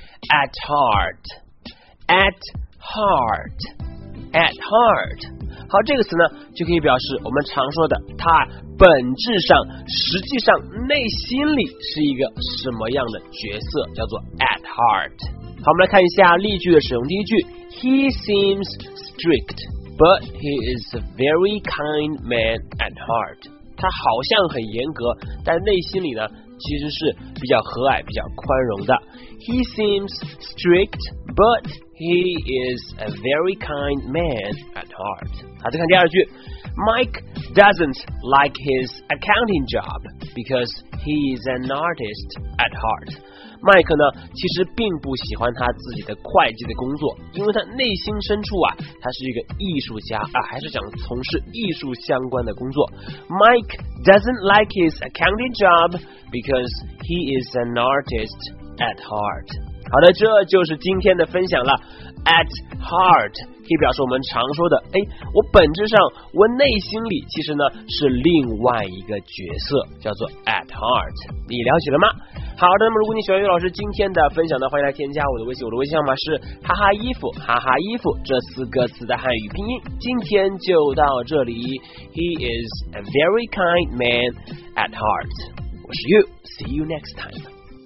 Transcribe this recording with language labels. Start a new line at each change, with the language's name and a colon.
English: At heart, at heart, at heart。
Chinese: 好，这个词呢，就可以表示我们常说的，它本质上、实际上、内心里是一个什么样的角色，叫做 at heart。好，我们来看一下例句的使用。第一句 ，
English: He seems strict。 But he is a very kind man at heart.
Chinese: 他好像很严格，但内心里呢，其实是比较和蔼、比较宽容的。
English: He seems strict, but he is a very kind man at heart.
Chinese: 好，再看第二句。
English: Mike doesn't like his accounting job because he is an artist at heart.
Chinese: Mike 呢，其实并不喜欢他自己的会计的工作，因为他内心深处啊，他是一个艺术家啊，还是想从事艺术相关的工作。
English: Mike doesn't like his accounting job because he is an artist at heart.
Chinese: 好的，这就是今天的分享了。At heart 可以表示我们常说的，哎，我本质上，我内心里其实呢是另外一个角色，叫做 at heart。你了解了吗？好的，那么如果你喜欢悠悠老师今天的分享呢，欢迎来添加我的微信，我的微信号码是哈哈衣服，哈哈衣服这四个字的汉语拼音。今天就到这里。
English: He is a very kind man at heart。
Chinese: 我是
English: you，see you next time。